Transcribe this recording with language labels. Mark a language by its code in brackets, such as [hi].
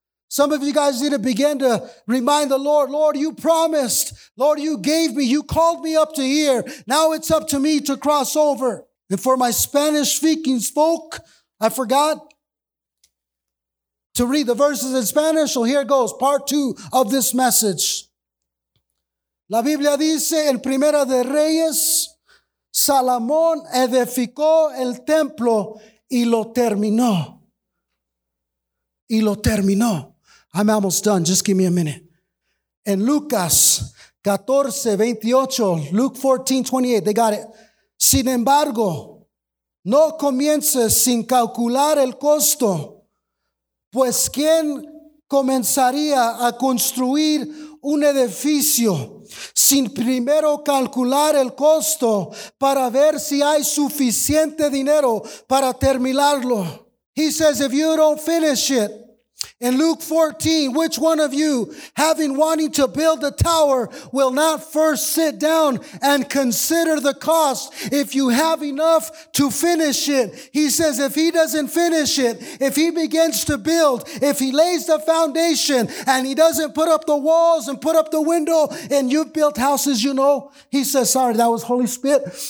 [en] Some of you guys need to begin to remind the Lord. Lord, you promised. Lord, you gave me. You called me up to here. Now it's up to me to cross over. And for my Spanish-speaking folk, I forgot to read the verses in Spanish. So here goes, part two of this message. [es] La Biblia dice, en Primera de Reyes, Salomón edificó el templo y lo terminó. Y lo terminó. [en] I'm almost done. Just give me a minute. [es] En Lucas, [en] 14:28, Luke 14:28. They got it. [es] Sin embargo, no comiences sin calcular el costo, pues quién comenzaría a construir un edificio sin primero calcular el costo para ver si hay suficiente dinero para terminarlo. [en] He says, if you don't finish it, in Luke 14, which one of you, having wanting to build a tower, will not first sit down and consider the cost if you have enough to finish it? He says, if he doesn't finish it, if he begins to build, if he lays the foundation and he doesn't put up the walls and put up the window, and you've built houses, you know, he says, sorry, that was Holy Spirit.